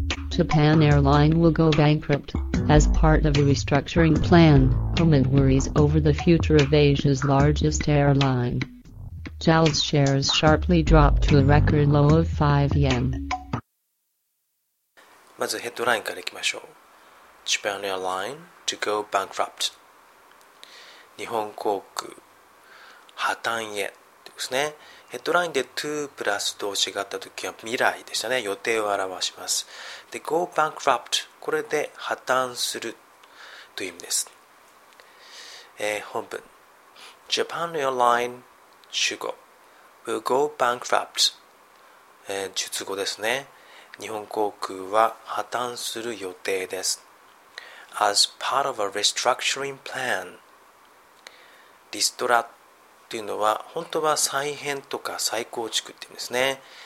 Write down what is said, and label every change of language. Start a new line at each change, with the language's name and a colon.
English: Japan Airline will go bankrupt as part of a restructuring plan amid worries over the future of Asia's largest airline. JAL's shares sharply dropped to a record low of 5 yen.
Japanese: まずヘッドラインからいきましょう。
English: Japan Airline to go bankrupt.
Japanese: 日本航空破綻へですね。ヘッドラインで to プラス動詞があった時は未来でしたね。予定を表します。で、
English: go bankrupt、
Japanese: これで破綻するという意味です。本文、
English: Japan AirlineWill go bankrupt、
Japanese: 述語ですね。日本航空は破綻する予定です。
English: As part of a restructuring plan、
Japanese: リストラというのは本当は再編とか再構築って言うんですね。